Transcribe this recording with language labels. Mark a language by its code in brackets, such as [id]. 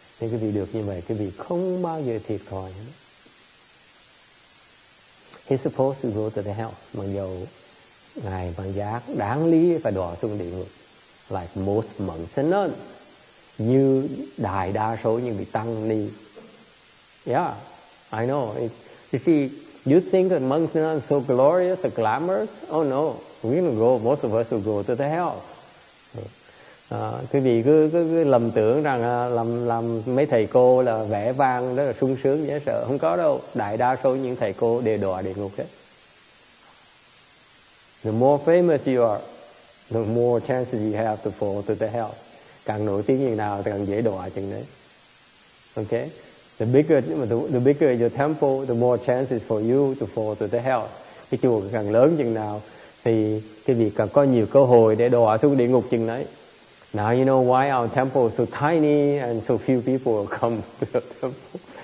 [vi] Thế quý vị được như vậy, quý vị không bao giờ thiệt thòi. [en] He's supposed to go to the hell. [vi] Mặc dù Ngài Mạng Giác đáng lý phải đọa xuống địa ngục. [en] Like most monk sinners. [vi] Như đại đa số những vị tăng ni. [en] Yeah, I know. You think that monks are so glorious or glamorous? Oh no, we're going to go, most of us will go to the hell. [vi] Quý vị cứ lầm tưởng rằng làm mấy thầy cô là vẻ vang, rất là sung sướng, dễ sợ. Không có đâu. Đại đa số những thầy cô đều đọa địa ngục hết. [en] The more famous you are, the more chances you have to fall to the hell. [vi] Càng nổi tiếng như nào thì càng dễ đọa chừng đấy. [en] Okay? The bigger your temple, the more chances for you to fall to the hell. [vi] Cái chùa càng lớn chừng nào thì quý vị càng có nhiều cơ hội để đọa xuống địa ngục chừng đấy. [en] Now you know why our temple is so tiny and so few people come to the temple.